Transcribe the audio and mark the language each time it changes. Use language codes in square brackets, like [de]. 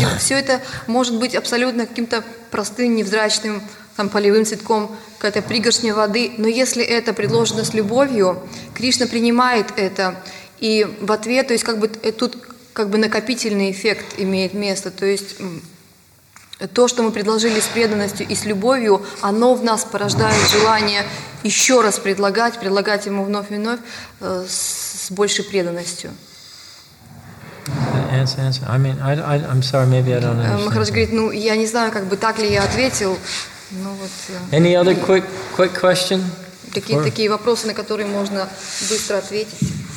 [ru] Все это может быть абсолютно каким-то простым, невзрачным там полевым цветком, какая-то пригоршня воды, но если это предложено с любовью, Кришна принимает это, и в ответ, то есть как бы тут как бы накопительный эффект имеет место, то есть то, что мы предложили с преданностью и с любовью, оно в нас порождает желание еще раз предлагать, предлагать ему вновь и вновь с большей преданностью. [en] Answer. I mean, I'm sorry, maybe I don't understand. [ru] Махарадж говорит, ну, я не знаю, как бы так ли я ответил. Ну, вот, [en] any other quick question? [ru] Какие такие вопросы, на которые можно быстро ответить?